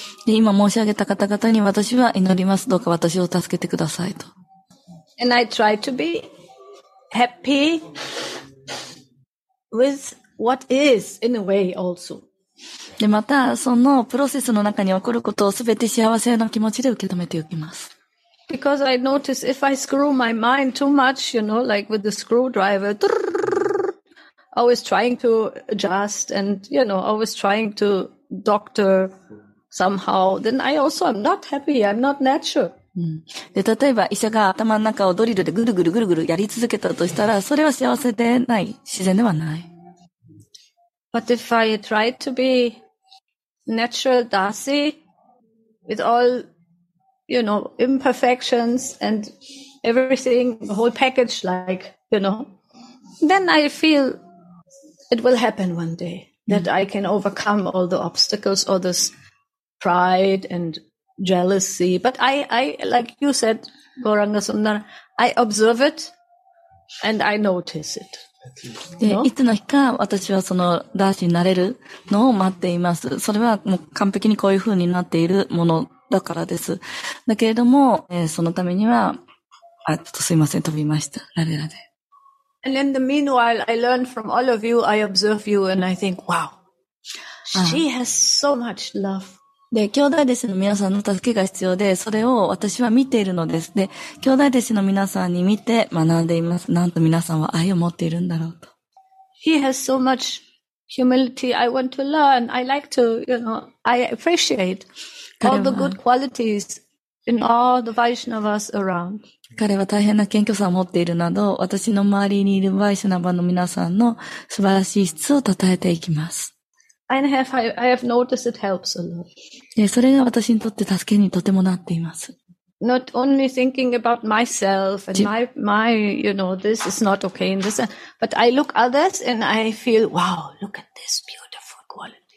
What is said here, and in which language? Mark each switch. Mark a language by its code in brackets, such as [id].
[ja] 今申し上げた方々に私は祈ります。どうか私を助けてくださいと。 [en] And I try to be happy with what is in a way also. [ja] で、またそのプロセスの中に起こることをすべて幸せな気持ちで受け止めておきます。 [en] Because I notice if I screw my mind too much, you know, like with the screwdriver, always trying to adjust and, you know, always trying to doctor somehow, then I also am not happy, I'm not natural. [ja] で、例えば医者が頭の中をドリルでぐるぐるぐるぐるやり続けたとしたら、それは幸せでない、自然ではない。 [en] But if I try to be natural Darcy with all... You know, imperfections and everything, the whole package, like, you know, then I feel it will happen one day. that I can overcome all the obstacles, all this pride and jealousy. But I like you said, Gauranga Sundar, I observe it and I notice it. [ja] で、いつの日か私はそのダーシになれるのを待っています。それはもう完璧にこういう風になっているものだからです。だけれども、そのためには、あ、ちょっとすいません、飛びました。ラレラで。 [en] And in the meanwhile, I learn from all of you, I observe you, and I think, wow, she has so much love. [ja] で、兄弟弟子の皆さんの助けが必要で、それを私は見ているのです。で、兄弟弟子の皆さんに見て学んでいます。なんと皆さんは愛を持っているんだろうと。 [en] He has so much humility. I want to learn. I like to, you know, I appreciate all the good qualities in all the Vaishnavas around. [ja] 彼は大変な謙虚さを持っているなど、私の周りにいるヴァイシュナヴァの皆さんの素晴らしい質を称えていきます。 [en] And I have noticed it helps a lot. [ja] それが私にとって助けにとてもなっています。 [en] Not only thinking about myself and my, you know, this is not okay and this, but I look others and I feel, wow, look at this beautiful quality.